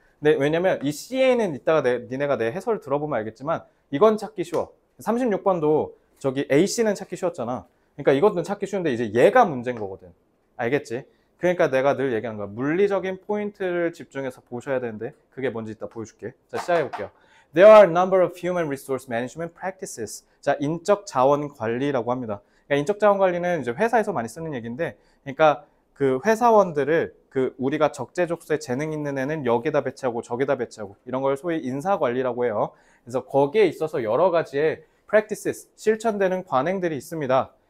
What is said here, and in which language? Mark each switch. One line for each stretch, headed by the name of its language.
Korean: 근데 왜냐면 이 CA는 이따가 니네가 내 해설을 들어보면 알겠지만 이건 찾기 쉬워. 36번도 저기 AC는 찾기 쉬웠잖아. 그러니까 이것도 찾기 쉬운데 이제 얘가 문제인 거거든. 알겠지? 그러니까 내가 늘 얘기하는 거야. 물리적인 포인트를 집중해서 보셔야 되는데 그게 뭔지 이따 보여줄게. 자, 시작해볼게요.
English: There are a number of human resource management practices.
Korean: 자, 인적 자원 관리라고 합니다. 그러니까 인적 자원 관리는 이제 회사에서 많이 쓰는 얘기인데, 그러니까 그 회사원들을 그 우리가 적재적소에 재능 있는 애는 여기다 배치하고 저기다 배치하고 이런 걸 소위 인사 관리라고 해요. 그래서 거기에 있어서 여러 가지의 practices, 실천되는 관행들이 있습니다.